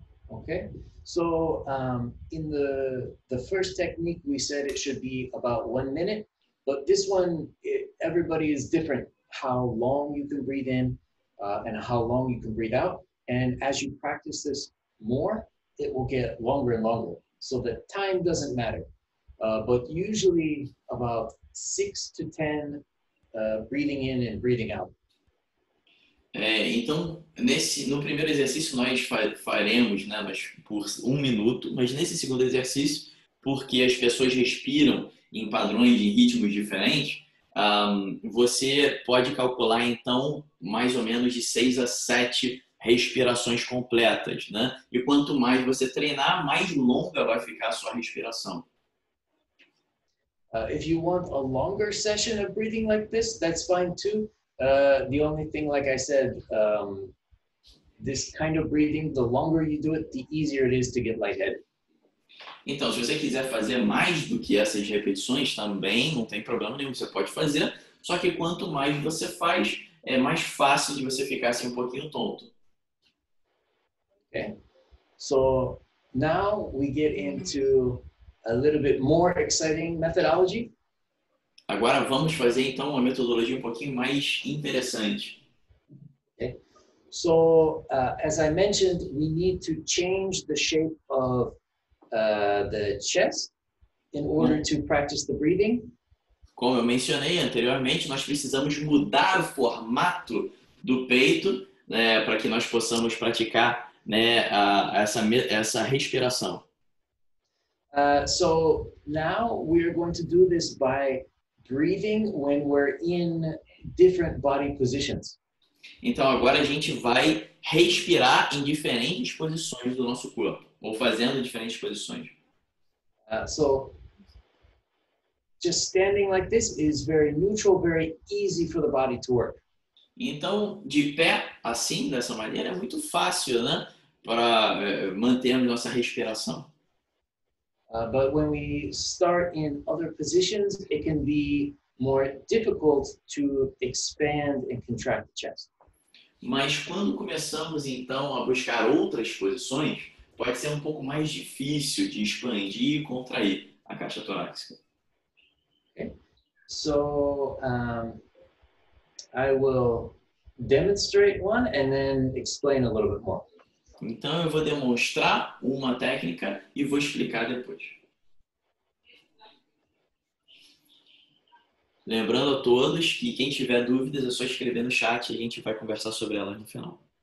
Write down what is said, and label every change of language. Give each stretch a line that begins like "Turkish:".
English: Okay, so in the first technique, we said it should be about 1 minute, but this one, everybody is different, how long you can breathe in and how long you can breathe out. And as you practice this more, it will get longer and longer. So the time doesn't matter, but usually about 6 to 10 breathing in and breathing out.
Portuguese: Então, no primeiro exercício nós faremos, né, mas por 1 minuto, mas nesse segundo exercício, porque as pessoas respiram em padrões de ritmos diferentes, Você pode calcular, então, mais ou menos de 6 a 7 respirações completas, né? E quanto mais você treinar, mais longa vai ficar a sua respiração.
English: If you want a longer session of breathing like this, that's fine too. The only thing, like I said, this kind of breathing, the longer you do it, the easier it is to get lightheaded.
Portuguese: Então, se você quiser fazer mais do que essas repetições também, não tem problema nenhum, você pode fazer. Só que quanto mais você faz, é mais fácil de você ficar assim um pouquinho tonto.
English: Okay. So, now we get into a little bit more exciting methodology.
Portuguese: Agora vamos fazer então uma metodologia um pouquinho mais interessante.
English: Okay. So, as I mentioned, we need to change the shape of the chest in order to practice the breathing.
Portuguese: Como eu mencionei anteriormente, nós precisamos mudar o formato do peito, né, para que nós possamos praticar, né, essa respiração.
English: So now we are going to do this by breathing when we're in different body positions.
Portuguese: Então agora a gente vai respirar em diferentes posições do nosso corpo, ou fazendo diferentes posições.
English: So just standing like this is very neutral, very easy for the body to work.
Portuguese: Então, de pé assim, dessa maneira, é muito fácil, né, para manter a nossa respiração.
English: But when we start in other positions, it can be more difficult to expand and contract the chest.
Portuguese: Mas quando começamos então a buscar outras posições, pode ser um pouco mais difícil de expandir e contrair a caixa torácica.
English: Okay. So, I will demonstrate one and then explain a little bit more.
Portuguese: Então eu vou demonstrar uma técnica e vou explicar depois. Lembrando a todos que quem tiver dúvidas é só escrever no chat e a gente vai conversar sobre ela no final.